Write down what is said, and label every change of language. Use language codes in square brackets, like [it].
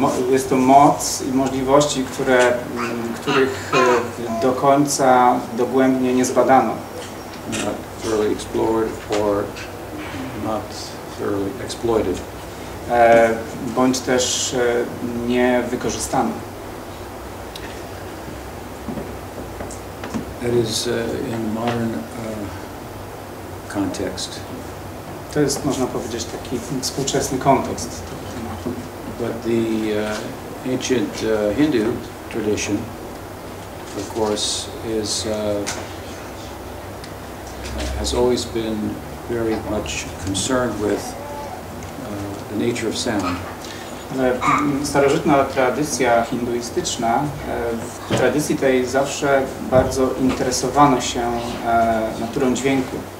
[pl] Jest to moc i możliwości, których do końca dogłębnie nie zbadano. [en] Not thoroughly explored or not thoroughly exploited. [pl] Bądź też nie wykorzystano. [en] That is in modern context. [pl] To jest, można powiedzieć, taki współczesny kontekst. [en] But the ancient Hindu tradition, of course, is has always been very much concerned with the nature of sound. [pl] Ale starożytna tradycja hinduistyczna, w tradycji tej zawsze bardzo interesowano się naturą dźwięku.